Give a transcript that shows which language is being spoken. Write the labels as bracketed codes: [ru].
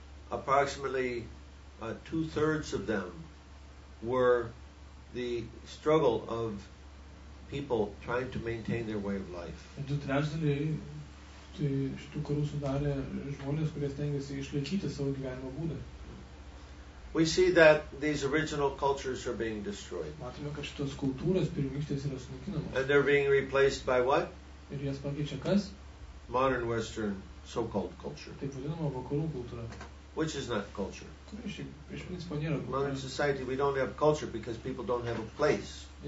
[en] Approximately two-thirds of them were the struggle of people trying to maintain their way of life. [lt] Du trečdaliai šitų karų sudarė žmonės, kurie stengiasi išlaikyti savo gyvenimo būdą. [en] We see that these original cultures are being destroyed. [lt] Matome, kad šitos kultūros pirmykštės yra sunaikinamos. [en] And they're being replaced by what? [lt] Ir jas pakeičia kas? [en] Modern Western so-called culture. [lt] Taip vadinama vakarų kultūra. [en] Which is not culture. In modern society, we don't have culture because people don't have a place.